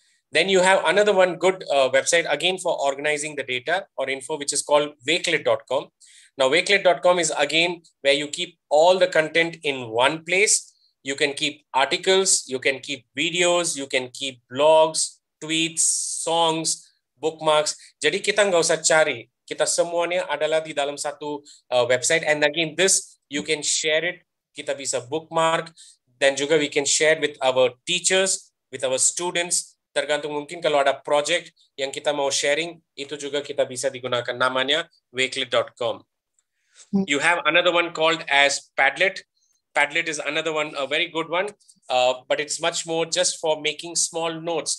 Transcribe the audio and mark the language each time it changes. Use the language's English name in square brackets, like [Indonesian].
[English] Then you have another one good website again for organizing the data or info, which is called wakelet.com. Now wakelet.com is again where you keep all the content in one place. You can keep articles, you can keep videos, you can keep blogs, tweets, songs, bookmarks. [Indonesian] Jadi kita nggak usah cari, kita semuanya adalah di dalam satu website. [English] And again, this you can share it, [Indonesian] kita bisa bookmark, dan juga [English] we can share with our teachers, with our students. [Indonesian] Tergantung mungkin kalau ada project yang kita mau sharing, itu juga kita bisa digunakan, namanya wakelet.com. [English] You have another one called as Padlet. Padlet is another one, a very good one, but it's much more just for making small notes.